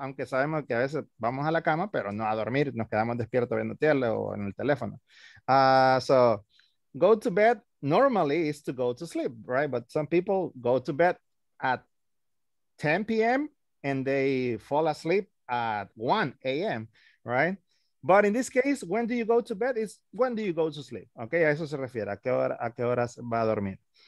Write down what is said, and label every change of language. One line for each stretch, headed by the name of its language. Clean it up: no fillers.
Spanish: Aunque sabemos que a veces vamos a la cama, pero no a dormir, nos quedamos despiertos viendo tele o en el teléfono.
English: So, go to bed normally is to go to sleep, right? But some people go to bed at 10 p.m. and they fall asleep at 1 a.m., right? But in this case, when do you go to bed is when do you go to sleep, okay?
Spanish: A eso se refiere, a qué horas va a dormir.